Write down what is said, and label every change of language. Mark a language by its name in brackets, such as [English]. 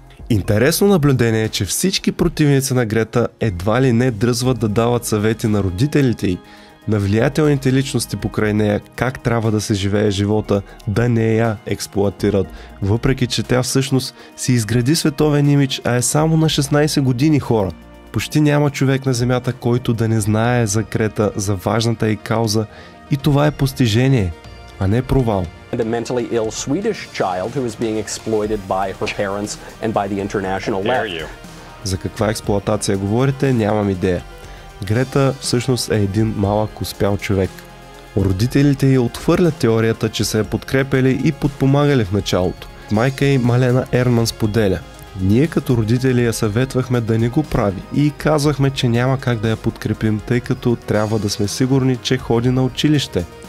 [Bulgarian] Интересно наблюдение е, че всички противници на Грета едва ли не дръзват да дават съвети на родителите й, на влиятелните личности покрай нея, как трябва да се живее живота, да не я експлоатират, въпреки че тя всъщност си изгради световен имидж, а е само на 16 години хора. Почти няма човек на Земята, който да не знае за Грета, за важната й кауза, и това е постижение, а не провал. [English] And a mentally ill Swedish child who is being exploited by her parents and by the international left. [Bulgarian] За каква експлоатация говорите, нямам идея. Грета всъщност е един малък успял човек. Родителите й отхвърлят теорията, че се е подкрепили и подпомагали в началото. Майка й Малена Ерман споделя. Ние като родители я съветвахме да не го прави и казвахме, че няма как да я подкрепим, тъй като трябва да сме сигурни, че ходи на училище.